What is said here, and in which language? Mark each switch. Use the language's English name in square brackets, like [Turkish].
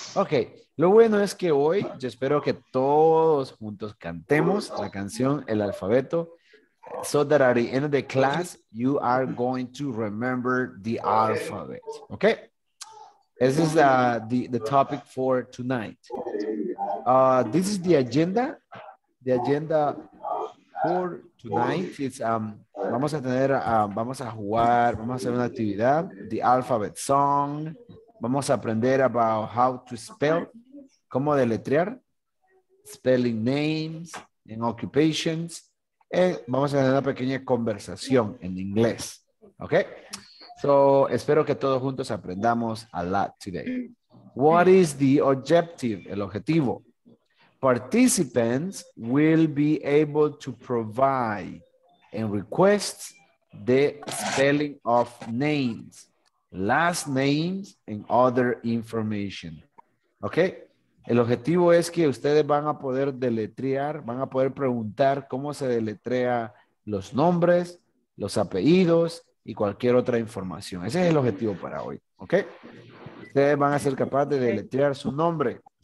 [Spanish] Ok, lo bueno es que hoy yo espero que todos juntos cantemos la canción, el alfabeto. [English] So that at the end of the class, you are going to remember the alphabet. Ok, this is the topic for tonight. This is the agenda for tonight. [Spanish] It's vamos a hacer una actividad, [English] the alphabet song. [Spanish] Vamos a aprender [English] about how to spell, [Spanish] cómo deletrear, [English] spelling names and occupations. [Spanish] And vamos a tener una pequeña conversación en inglés. Okay? So, espero que todos juntos aprendamos [English] a lot today. What is the objective? [Spanish] El objetivo. [English] Participants will be able to provide and request the spelling of names, last names, and other information. Okay? [Spanish] El objetivo es que ustedes van a poder deletrear, van a poder preguntar cómo se deletrea los nombres, los apellidos, y cualquier otra información. Ese es el objetivo para hoy. Okay? Ustedes van a ser capaces de deletrear su nombre.